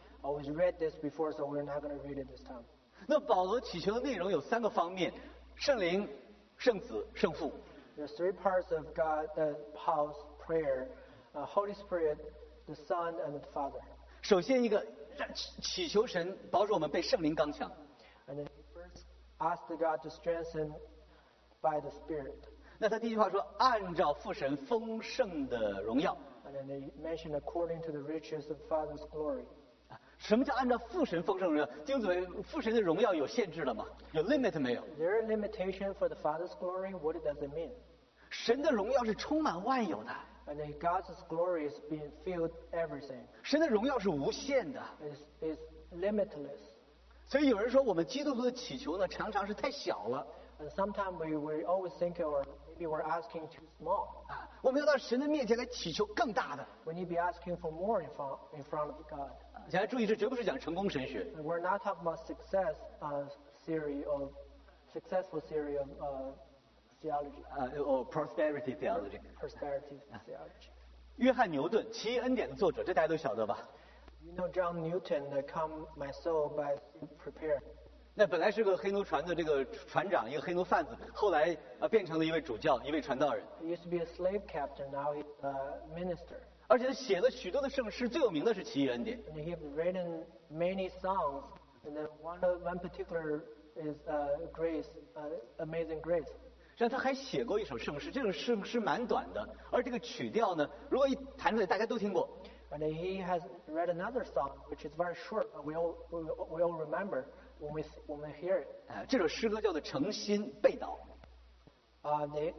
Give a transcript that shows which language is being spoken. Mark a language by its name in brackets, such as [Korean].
[English] I was read this before, so we're not going to read it this time. [Chinese] 那保罗祈求的内容有三个方面：圣灵、圣子、圣父。 [English] There are three parts of Paul's prayer: Holy Spirit, the Son, and the Father. [Chinese] 首先一个，祈求神保守我们被圣灵刚强。 [English] And then first, ask God to strengthen by the Spirit. [Chinese] 那他第一句话说，按照父神丰盛的荣耀。 [English] And then they mention according to the riches of Father's glory. [Chinese] 什么叫按照父神丰盛荣耀？弟兄姊妹，父神的荣耀有限制了吗？有 limit 没有？ [English] There a limitation for the Father's glory. What does it mean? [Chinese] 神的荣耀是充满万有的。 [English] And then God's glory is being filled everything. [Chinese] 神的荣耀是无限的。 [English] It's limitless. [Chinese] 所以有人说我们基督徒的祈求呢，常常是太小了。 [English] And sometimes we always think or maybe we're asking too small. [Chinese] 我们要到神的面前来祈求更大的。 [English] We need to be asking for more in front of God. [Chinese] 大家注意，这绝不是讲成功神学。 [English] We're not talking about success theology or prosperity theology. Prosperity theology. [Chinese] 约翰牛顿，奇异恩典的作者，这大家都晓得吧？ [English] You know John Newton, come my soul by prepare. [Chinese] 那本来是个黑奴船的这个船长，一个黑奴贩子，后来变成了一位主教，一位传道人。 [English] He used to be a slave captain, now he's a minister. [Chinese] 而且他写了许多的圣诗，最有名的是《奇异恩典》。 [English] And he has written many songs, and then one particular is Grace, Amazing Grace. [Chinese] 实际上他还写过一首圣诗，这首圣诗蛮短的，而这个曲调呢，如果一弹出来，大家都听过。 [English] And he has read another song, which is very short, but we all remember when we hear it. [Chinese] 这首诗歌叫做《诚心被盗》。